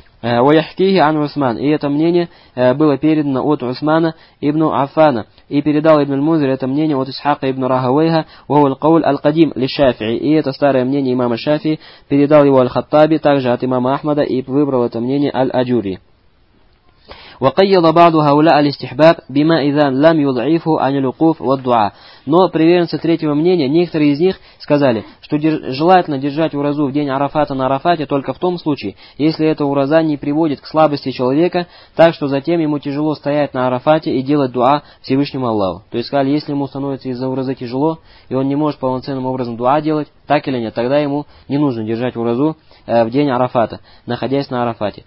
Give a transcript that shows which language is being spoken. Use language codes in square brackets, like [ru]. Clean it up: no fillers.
[ar] Ваяхкихи ан Усман. [ru] И это мнение было передано от Усмана ибн Аффана. И передал ибн аль-Музир это мнение от Исхака ибн Рахавейха. [ar] Вау аль-Каул аль-Кадим ли-Шафии. [ru] И это старое мнение имама Шафии. Передал его аль-Хаттаби, также от имама Ахмада, и выбрал это мнение аль-Аджури. [ar] وقيل بعض هؤلاء الاستحباب بما إذا لم يضعفه عن الوقوف والدعاء. [ru] Но приверженцы третьего мнения, некоторые из них сказали, что желательно держать уразу в день Арафата на Арафате только в том случае, если эта ураза не приводит к слабости человека, так что затем ему тяжело стоять на Арафате и делать дуа Всевышнему Аллаху. То есть сказали, если ему становится из-за уразы тяжело, и он не может полноценным образом дуа делать, так или нет, тогда ему не нужно держать уразу в день Арафата, находясь на Арафате.